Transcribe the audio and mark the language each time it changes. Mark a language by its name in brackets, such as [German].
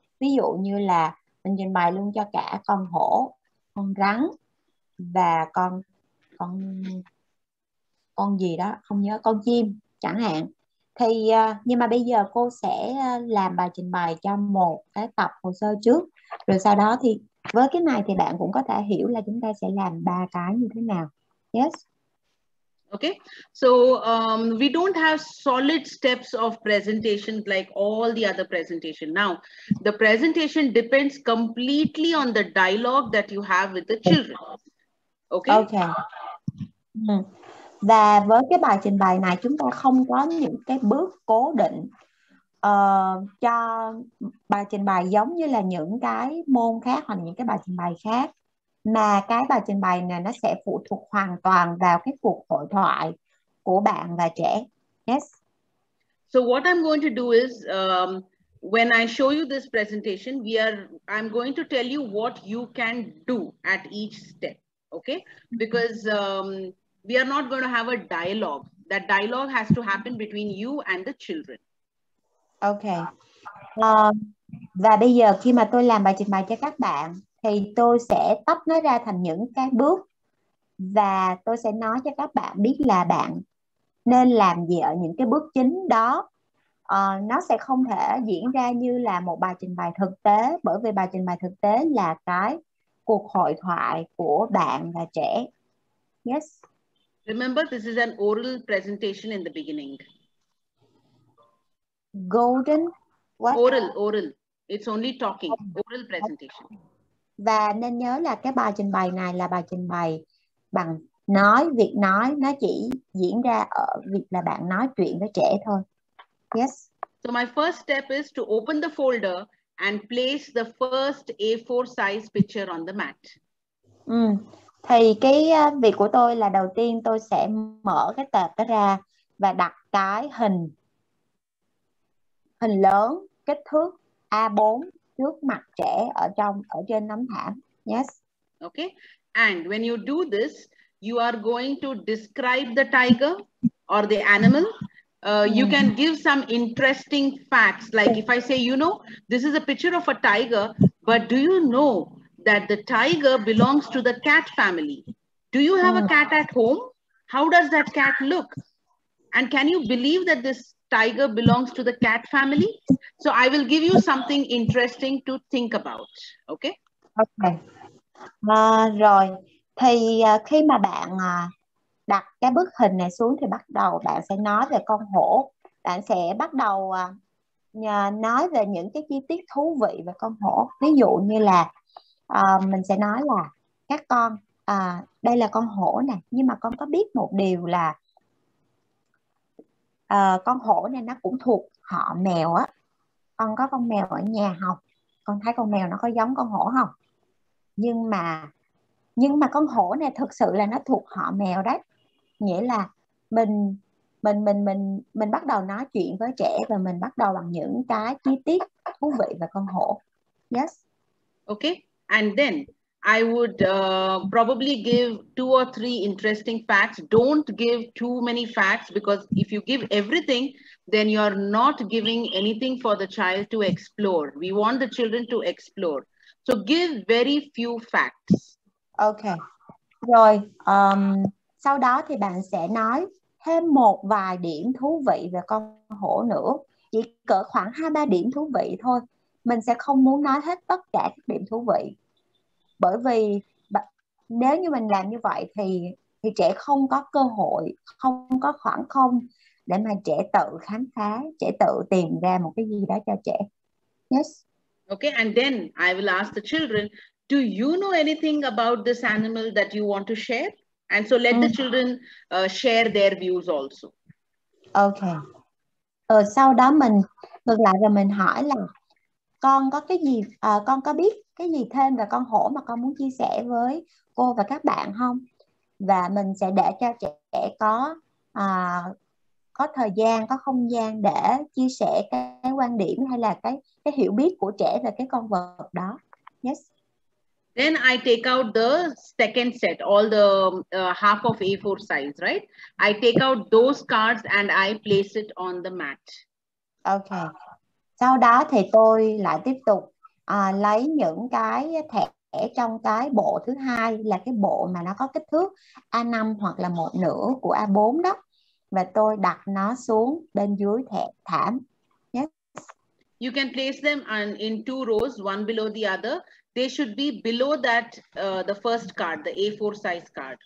[Vietnamese] Ví dụ như là mình trình bày luôn cho cả con hổ, con rắn và con gì đó không nhớ, con chim chẳng hạn. Thì nhưng mà bây giờ cô sẽ làm bài trình bày cho một cái tập hồ sơ trước, rồi sau đó thì với cái này thì bạn cũng có thể hiểu là chúng ta sẽ làm ba cái như thế nào. [English] Yes. Okay. So we don't have solid steps of presentation like all the other presentation. Now the presentation depends completely on the dialogue that you have with the children. Okay. Okay. [Vietnamese] Và với cái bài trình bày này chúng ta không có những cái bước cố định cho bài trình bày giống như là những cái môn khác hoặc những cái bài trình bày khác, mà cái bài trình bày này nó sẽ phụ thuộc hoàn toàn vào cái cuộc hội thoại của bạn và trẻ. [English] Yes. So what I'm going to do is when I show you this presentation, I'm going to tell you what you can do at each step. Okay? Because we are not going to have a dialogue. That dialogue has to happen between you and the children. Okay. [Vietnamese] Và bây giờ khi mà tôi làm bài trình bày cho các bạn, thì tôi sẽ tách nó ra thành những cái bước và tôi sẽ nói cho các bạn biết là bạn nên làm gì ở những cái bước chính đó. Nó sẽ không thể diễn ra như là một bài trình bày thực tế, bởi vì bài trình bày thực tế là cái cuộc hội thoại của bạn và trẻ. [English] Yes. Remember, this is an oral presentation in the beginning. golden what? Oral. It's only talking. Oral presentation. [Vietnamese] Và nên nhớ là cái bài trình bày này là bài trình bày bằng nói, việc nói nó chỉ diễn ra ở việc là bạn nói chuyện với trẻ thôi. [English] Yes. So my first step is to open the folder and place the first A4 size picture on the mat. [Vietnamese] Thì cái việc của tôi là đầu tiên tôi sẽ mở cái tờ đó ra và đặt cái hình lớn kích thước A4 trước mặt trẻ ở trên tấm thảm. [English] Yes. Okay. And when you do this, you are going to describe the tiger or the animal. You can give some interesting facts. Like if I say, you know, this is a picture of a tiger, but do you know that the tiger belongs to the cat family? Do you have a cat at home? How does that cat look? And can you believe that this tiger belongs to the cat family? So I will give you something interesting to think about. Okay? Okay. [Vietnamese] Rồi. Thì khi mà bạn đặt cái bức hình này xuống thì bắt đầu bạn sẽ nói về con hổ. Bạn sẽ bắt đầu nói về những cái chi tiết thú vị về con hổ. Ví dụ như là mình sẽ nói là các con, đây là con hổ này. Nhưng mà con có biết một điều là con hổ này nó cũng thuộc họ mèo á. Con có con mèo ở nhà không? Con thấy con mèo nó có giống con hổ không? Nhưng mà con hổ này thực sự là nó thuộc họ mèo đấy. Nghĩa là mình bắt đầu nói chuyện với trẻ và mình bắt đầu bằng những cái chi tiết thú vị về con hổ. [English] Yes. Okay. And then I would probably give two or three interesting facts. Don't give too many facts, because if you give everything, then you're not giving anything for the child to explore. We want the children to explore. So give very few facts. Okay. [Vietnamese] Rồi, sau đó thì bạn sẽ nói thêm một vài điểm thú vị về con hổ nữa. Chỉ cỡ khoảng 2-3 điểm thú vị thôi. Mình sẽ không muốn nói hết tất cả các điểm thú vị. Bởi vì nếu như mình làm như vậy thì trẻ không có cơ hội, không có khoảng không để mà trẻ tự khám phá, trẻ tự tìm ra một cái gì đó cho trẻ. [English] Yes. Okay, and then I will ask the children, do you know anything about this animal that you want to share? And so let the children share their views also. Okay. [Vietnamese] Rồi sau đó mình ngược lại rồi mình hỏi là con có cái gì, con có biết cái gì thêm về con hổ mà con muốn chia sẻ với cô và các bạn không? Và mình sẽ để cho trẻ có thời gian, có không gian để chia sẻ cái quan điểm hay là cái hiểu biết của trẻ về cái con vật đó. [English] Yes. Then I take out the second set, all the half of A4 size, right? I take out those cards and I place it on the mat. Okay. [Vietnamese] Sau đó thì tôi lại tiếp tục lấy những cái thẻ trong cái bộ thứ hai là cái bộ mà nó có kích thước A5 hoặc là một nửa của A4 đó. Và tôi đặt nó xuống bên dưới thẻ thảm. [English] Yes. You can place them in two rows, one below the other. They should be below that, the first card, the A4 size card.